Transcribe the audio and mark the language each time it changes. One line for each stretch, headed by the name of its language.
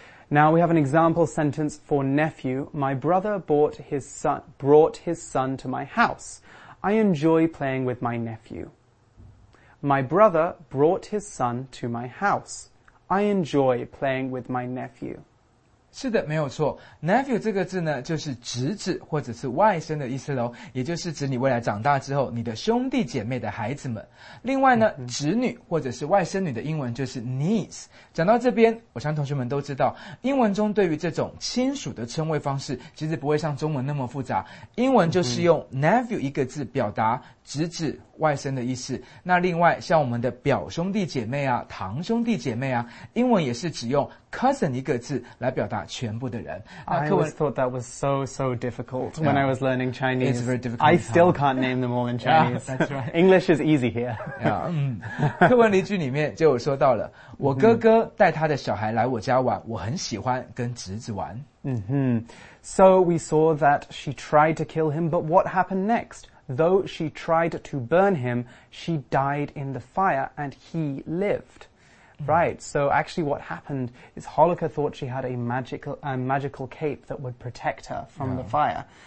English: Now we have an example sentence for nephew. My brother brought his son to my house. I enjoy playing with my nephew. My brother brought his son to my house. I enjoy playing with my nephew.
Chinese: 是的，没有错。 Nephew 这个字呢，就是侄子或者是外甥的意思咯，也就是指你未来长大之后，你的兄弟姐妹的孩子们。另外呢，侄女或者是外甥女的英文就是 niece。讲到这边，我想同学们都知道，英文中对于这种亲属的称谓方式，其实不会像中文那么复杂。英文就是用 nephew 一个字表达侄子外甥的意思。那另外像我们的表兄弟姐妹啊，堂兄弟姐妹啊，英文也是只用 cousin 一个字来表达全部的人。
English: I always thought that was so, so difficult when I was learning Chinese. It's very difficult. I still can't name them all in Chinese. Yeah, that's right. English is easy here.
Chinese: 课文例句里面就有说到了，我哥哥带他的小孩来我家玩，我很喜欢跟侄子玩。
English: So we saw that she tried to kill him, but what happened next? Though she tried to burn him, she died in the fire and he lived. Right, so actually what happened is Holika thought she had a magical cape that would protect her from the fire.